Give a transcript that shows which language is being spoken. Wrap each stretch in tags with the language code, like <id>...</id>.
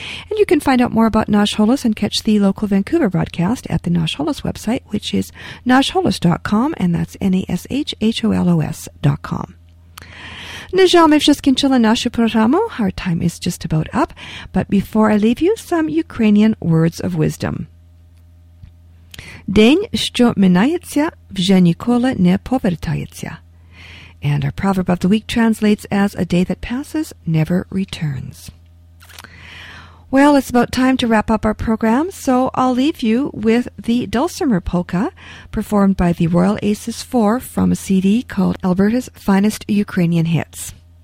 <en>And you can find out more about Nash Holos and catch the local Vancouver broadcast at the Nash Holos website, which is nashholos.com, and that's nashholos.com.</en> <uk>Nijal Mevshaskinchila Nashu Programo,</uk> <en>our time is just about up, but before I leave you, some Ukrainian words of wisdom.</en> <uk>День, що минається, вже ніколи не повертається.</uk> <en>And our proverb of the week translates as a day that passes never returns. Well, it's about time to wrap up our program, so I'll leave you with the Dulcimer Polka performed by the Royal Aces Four from a CD called Alberta's Finest Ukrainian Hits.</en>